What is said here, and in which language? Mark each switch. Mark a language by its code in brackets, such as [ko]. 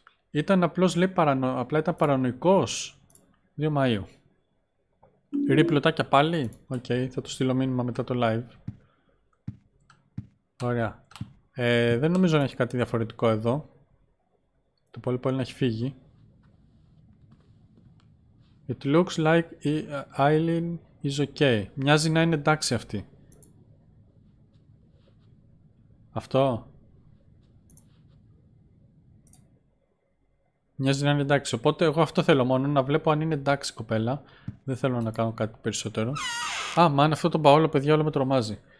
[el] Ήταν απλώς, λέει, απλά ήταν παρανοϊκός. 2 Μαΐου. Ρίπ λωτάκια πάλι. Okay, θα το στείλω μήνυμα μετά το live. Ωραία. Δεν νομίζω να έχει κάτι διαφορετικό εδώ. Το πολύ πολύ να έχει φύγει. [en] It looks like Eileen is okay. [el] Μοιάζει να είναι εντάξει αυτή. Αυτό. Μοιάζει να είναι εντάξει. Οπότε εγώ αυτό θέλω μόνο. Να βλέπω αν είναι εντάξει κοπέλα. Δεν θέλω να κάνω κάτι περισσότερο. Α, μα αν αυτό τον Παόλο, παιδιά, όλο με τρομάζει.